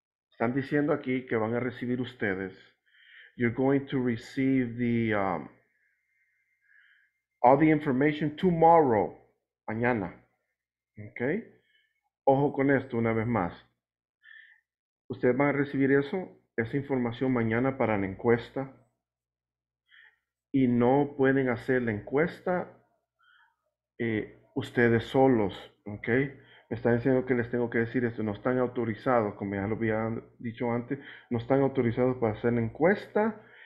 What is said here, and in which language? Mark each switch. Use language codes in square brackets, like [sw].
[es] Están diciendo aquí que van a recibir ustedes. [en] You're going to receive the all the information tomorrow, [es] mañana. Okay? Ojo con esto una vez más. Ustedes van a recibir eso, esa información mañana para la encuesta. Y no pueden hacer la encuesta ustedes solos, ¿ok? Me están diciendo que les tengo que decir esto. No están autorizados, como ya lo había dicho antes, no están autorizados para hacer la encuesta.